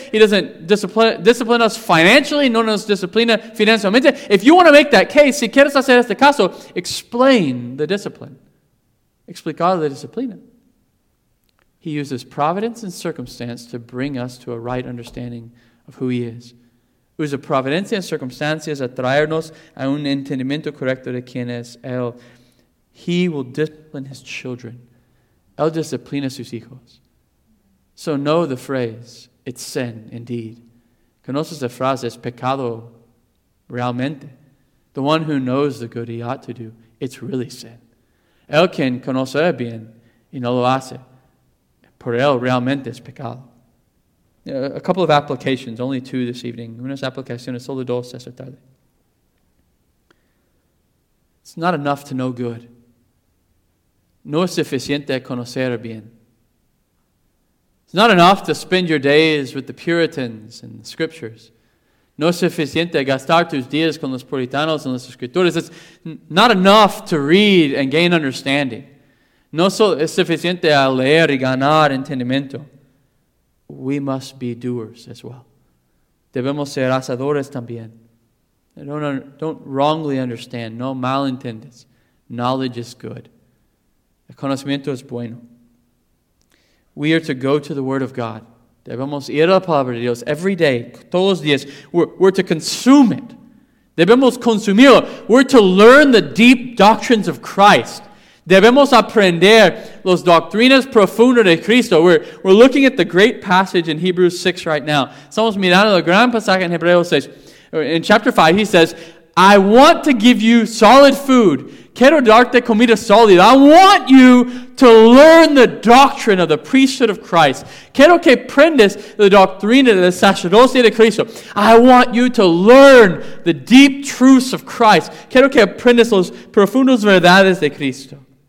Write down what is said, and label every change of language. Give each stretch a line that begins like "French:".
English: He doesn't discipline us financially.
Spanish: No nos disciplina financieramente.
English: If you want to make that case,
Spanish: si quieres hacer este caso,
English: explain the discipline.
Spanish: Explicar la disciplina.
English: He uses providence and circumstance to bring us to a right understanding of who he is.
Spanish: Usa providencia y circunstancias a traernos a un entendimiento correcto de quién es él.
English: He will discipline his children.
Spanish: Él disciplina sus hijos.
English: So know the phrase, it's sin indeed.
Spanish: Conoces la frase, es pecado realmente.
English: The one who knows the good he ought to do, it's really sin.
Spanish: El quien conoce bien y no lo hace, por él realmente es pecado.
English: A couple of applications, only two this evening.
Spanish: Unas aplicaciones, solo dos esta tarde.
English: It's not enough to know good.
Spanish: No es suficiente conocer bien.
English: It's not enough to spend your days with the Puritans and the Scriptures.
Spanish: No es suficiente gastar tus días con los puritanos en las Escrituras.
English: It's not enough to read and gain understanding.
Spanish: No es suficiente a leer y ganar entendimiento.
English: We must be doers as well.
Spanish: Debemos ser hacedores también.
English: Don't wrongly understand.
Spanish: No malentendes.
English: Knowledge is good.
Spanish: El conocimiento es bueno.
English: We are to go to the Word of God.
Spanish: Debemos ir a la palabra de Dios
English: every day,
Spanish: todos los días.
English: We're to consume it.
Spanish: Debemos consumirlo.
English: We're to learn the deep doctrines of Christ.
Spanish: Debemos aprender las doctrinas profundas de Cristo.
English: We're looking at the great passage in Hebrews 6 right now.
Spanish: Estamos mirando el gran pasaje en Hebreos 6.
English: In chapter 5, he says, I want to give you solid food.
Spanish: Quiero darte comida sólida.
English: I want you to learn the doctrine of the priesthood of Christ.
Spanish: Quiero que aprendas la doctrina de la sacerdocia de Cristo.
English: I want you to learn the deep truths of Christ.
Spanish: Quiero que aprendas los profundos verdades de Cristo.